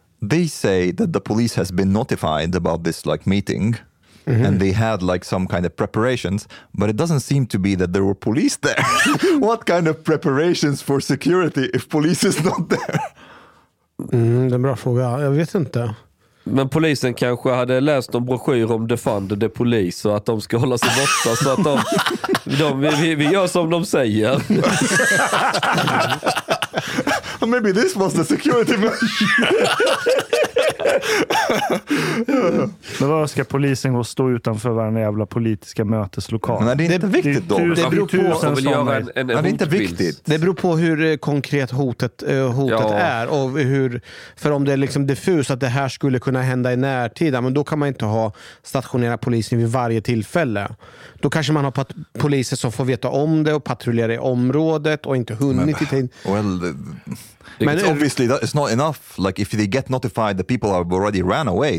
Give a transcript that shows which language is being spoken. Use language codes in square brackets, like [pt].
[en] They say that the police has been notified about this like meeting. Mm-hmm. And they had like some kind of preparations, but it doesn't seem to be that there were police there. What kind of preparations for security if police is not there? [sv] Mm, det är en bra fråga, jag vet inte. Men polisen kanske hade läst en broschyr om Defund the Police, så att de ska hålla sig borta. Så att vi gör som de säger. [en] Maybe this was the security measure. [sv] Men varför ska polisen gå och stå utanför varje jävla politiska möteslokal? Men är det inte viktigt då? Det beror på som vill göra en är det inte viktigt? Det beror på hur konkret hotet är, och hur, för om det är liksom diffus att det här skulle kunna hända i närtid, men då kan man inte ha stationerat polisen vid varje tillfälle. Då kanske man har poliser som får veta om det och patrullerar i området och inte hunnit. [en] Well, Like, it's obviously that it's not enough. Like, if they get notified, the people have already ran away.